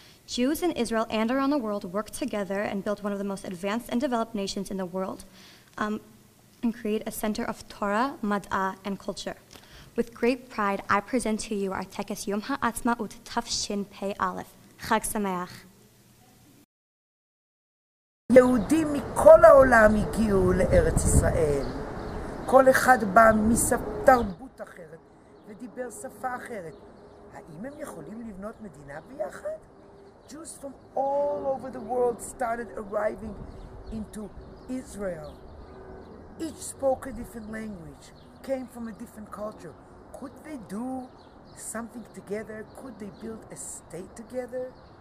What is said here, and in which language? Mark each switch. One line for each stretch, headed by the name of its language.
English: Jews in Israel and around the world work together and build one of the most advanced and developed nations in the world, and create a center of Torah, Mada, and culture. With great pride, I present to you our Tekes Yom HaAtzmaut Tafshin Pei Aleph. Chag Sameach.
Hebrew: יהודים מכל העולם הגיעו לארץ ישראל. כל אחד בא מתרבות אחרת ודיבר שפה אחרת. האם הם יכולים לבנות מדינה ביחד?
English: Jews from all over the world started arriving into Israel. Each spoke a different language, came from a different culture. Could they do something together? Could they build a state together?